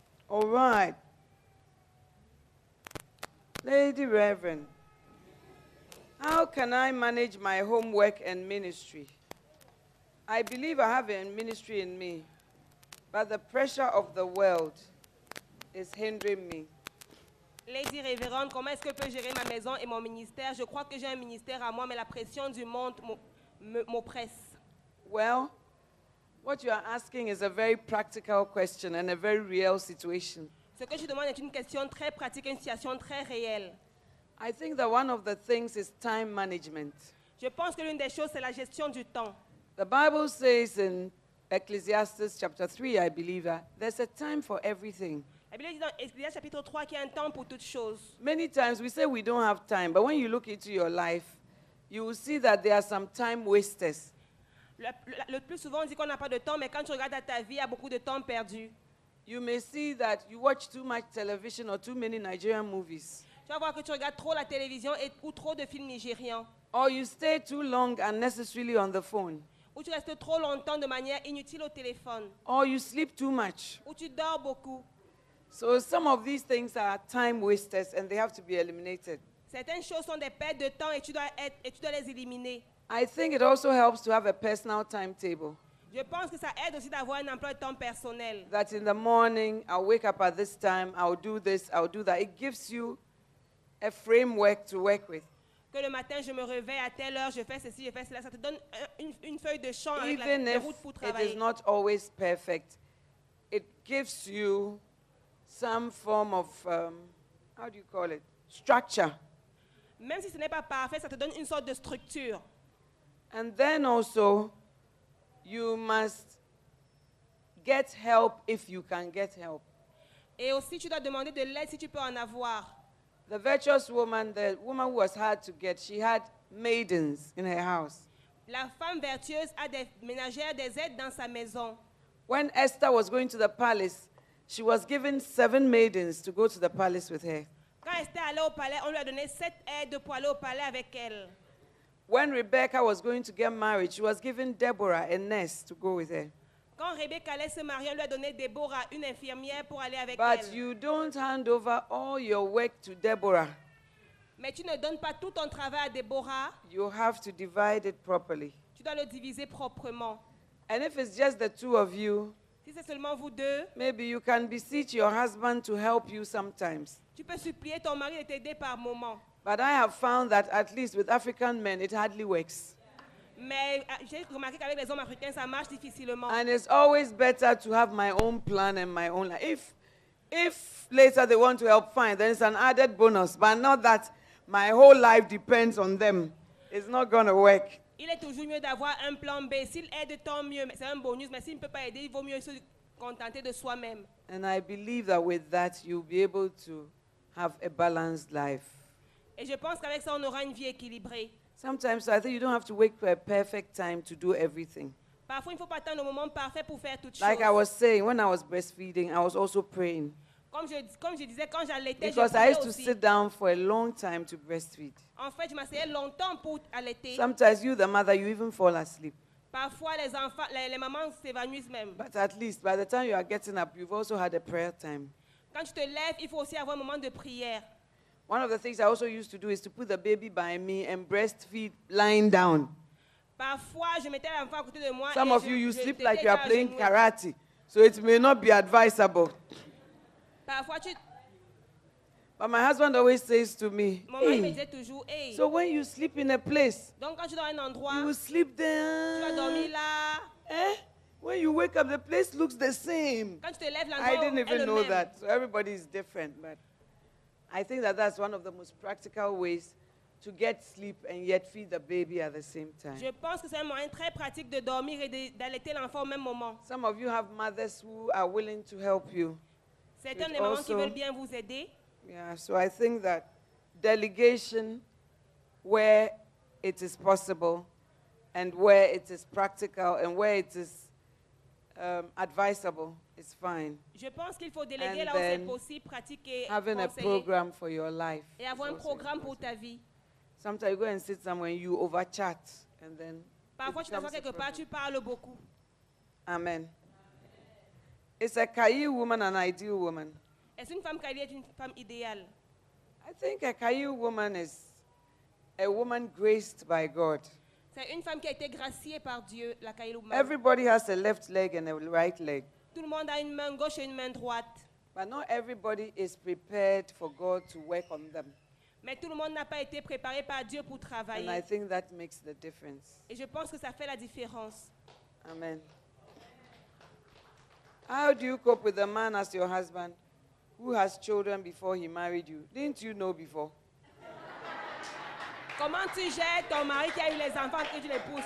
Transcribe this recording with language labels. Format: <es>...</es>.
<en>All right, Lady Reverend, how can I manage my homework and ministry? I believe I have a ministry in me, but the pressure of the world is hindering me.</en> <fr>Lady Reverend, comment est-ce que je peux gérer ma maison et mon ministère? Je crois que j'ai un ministère à moi, mais la pression du monde m'oppresse.</fr> <en>Well, what you are asking is a very practical question and a very real situation.</en> <fr>Ce que je demande est une question très pratique, une situation très réelle.</fr> <en>I think that one of the things is time management.</en> <fr>Je pense que l'une des choses, c'est la gestion du temps.</fr> <en>The Bible says in Ecclesiastes chapter 3, I believe, there's a time for everything.</en> <fr>La Bible dit dans Ecclésiaste chapitre 3 qu'il y a un temps pour toutes choses.</fr> <en>Many times we say we don't have time, but when you look into your life, you will see that there are some time wasters.</en> <fr>Le plus souvent, on dit qu'on n'a pas de temps, mais quand tu regardes à ta vie, il y a beaucoup de temps perdu.</fr> <en>You may see that you watch too much television or too many Nigerian movies.</en> <fr>Tu vas voir que tu regardes trop la télévision et ou trop de films nigériens.</fr> <en>Or you stay too long unnecessarily on the phone.</en> <fr>Ou tu restes trop longtemps de manière inutile au téléphone.</fr> <en>Or you sleep too much.</en> <fr>Ou tu dors beaucoup.</fr> <en>So some of these things are time wasters and they have to be eliminated.</en> <fr>Certaines choses sont des pertes de temps et tu dois les éliminer.</fr> <en>I think it also helps to have a personal timetable.</en> <fr>Je pense que ça aide aussi d'avoir un emploi de temps personnel.</fr> <en>That in the morning I'll wake up at this time, I'll do this, I'll do that. It gives you a framework to work with.</en> <fr>Que le matin je me réveille à telle heure, je fais ceci, je fais cela. Ça te donne une feuille de champ avec la route pour travailler.</fr> <en>Even if it is not always perfect, it gives you some form of how do you call it? Structure.</en> <fr>Même si ce n'est pas parfait, ça te donne une sorte de structure.</fr> <en>And then also, you must get help if you can get help.</en> <fr>Et aussi, tu dois demander de l'aide si tu peux en avoir.</fr> <en>The virtuous woman, the woman who was hard to get, she had maidens in her house.</en> <fr>La femme vertueuse a des ménagères, des aides dans sa maison.</fr> <en>When Esther was going to the palace, she was given 7 maidens to go to the palace with her.</en> <fr>Quand Esther allait au palais, on lui a donné 7 aides pour aller au palais avec elle.</fr> <en>When Rebecca was going to get married, she was given Deborah, a nurse, to go with her.</en> <fr>Quand Rebecca allait se marier, on lui a donné Deborah, une infirmière, pour aller avec</fr> <en>but</en> <fr>elle.</fr> <en>You don't hand over all your work to Deborah.</en> <fr>Mais tu ne donnes pas tout ton travail à Deborah.</fr> <en>You have to divide it properly.</en> <fr>Tu dois le diviser proprement.</fr> <en>And if it's just the two of you,</en> <fr>si c'est seulement vous deux,</fr> <en>maybe you can beseech your husband to help you sometimes.</en> <fr>Tu peux supplier ton mari de t'aider par moment.</fr> <en>But I have found that at least with African men, it hardly works. Mais j'ai remarqué qu'avec les hommes africains, ça marche difficilement. And it's always better to have my own plan and my own life. If later they want to help, fine, then it's an added bonus. But not that my whole life depends on them. It's not going to work.</en> <fr>Il est toujours mieux d'avoir un plan B. S'il aide, tant mieux. C'est un bonus. Mais s'il ne peut pas aider, il vaut mieux se contenter de soi-même.</fr> <en>And I believe that with that, you'll be able to have a balanced life.</en> <fr>Et je pense qu'avec ça, on aura une vie équilibrée.</fr> <en>Sometimes I think you don't have to wait for a perfect time to do everything.</en> <fr>Parfois, il ne faut pas attendre le moment parfait pour faire toutes choses.</fr> <en>Like I was saying, when I was breastfeeding, I was also praying.</en> <fr>Comme je disais, quand j'allaitais,</fr> <en>because</en> <fr>je priais</fr> <en>I used to</en> <fr>aussi.</fr> <en>Sit down for a long time to breastfeed.</en> <fr>En fait, je m'asseyais longtemps pour allaiter.</fr> <en>Sometimes you, the mother, you even fall asleep.</en> <fr>Parfois, les enfants, les mamans s'évanouissent même.</fr> <en>But at least, by the time you are getting up, you've also had a prayer time.</en> <fr>Quand tu te lèves, il faut aussi avoir un moment de prière.</fr> <en>One of the things I also used to do is to put the baby by me and breastfeed lying down.</en> <fr>Parfois, je mettais l'enfant à côté de moi.</fr> <en>Some</en> <fr>et</fr> <en>of</en> <fr>je,</fr> <en>you, you</en> <fr>je</fr> <en>sleep like you are playing karate, so it may not be advisable.</en> <fr>Parfois, tu...</fr> <en>But my husband always says to me,</en> <fr>hey. Me disait toujours, hey.</fr> <en>So when you sleep in a place,</en> <fr>donc quand tu dors un endroit,</fr> <en>you sleep there.</en> <fr>Tu vas dormir là. Eh?</fr> <en>When you wake up, the place looks the same.</en> <fr>Quand tu te lèves, l'endroit</fr> <en>I didn't even know</en> <fr>même.</fr> <en>That. So everybody is different, but I think that that's one of the most practical ways to get sleep and yet feed the baby at the same time.</en> <fr>Je pense que c'est un moyen très pratique de dormir et d'allaiter l'enfant au même moment.</fr> <en>Some of you have mothers who are willing to help you.</en> <fr>Certaines des mamans qui veulent bien vous aider.</fr> <en>Yeah, so I think that delegation where it is possible and where it is practical and where it is advisable. It's fine.</en> <fr>Je pense qu'il faut déléguer là où c'est possible, pratiquer,</fr> <en>having a program for your life.</en> <fr>Et avoir un programme pour ta vie.</fr> <en>Sometimes you go and sit somewhere and you over chat and then</en> <fr>parfois tu t'assois quelque part, tu parles beaucoup.</fr> <en>Amen. Is a Kayi woman an ideal woman?</en> <fr>Est-ce une femme Kayi est une femme idéale?</fr> <en>I think a Kayi woman is a woman graced by God.</en> <fr>C'est une femme qui a été graciée par Dieu, la Kayi woman.</fr> <en>Everybody has a left leg and a right leg.</en> <fr>Tout le monde a une main gauche et une main droite.</fr> <en>But not everybody is prepared for God to work on them.</en> <fr>Mais tout le monde n'a pas été préparé par Dieu pour travailler.</fr> <en>And I think that makes the difference.</en> <fr>Et je pense que ça fait la différence.</fr> <en>Amen. How do you cope with a man as your husband who has children before he married you? Didn't you know before?</en> <fr>Comment tu gères ton mari qui a eu les enfants que tu l'épouses?</fr>